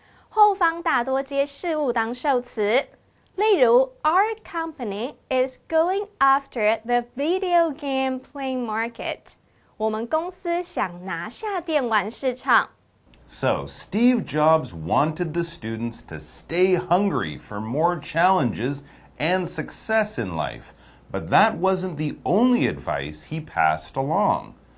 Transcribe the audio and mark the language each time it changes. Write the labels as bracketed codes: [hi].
[zh] 后方大多接事物当受词。例如 , [en] Our company is going after the video game playing market. [zh] 我们公司想拿下电玩市场。 [en] So, Steve Jobs wanted the students to stay hungry for more challenges and success in life. But that wasn't the only advice he passed along.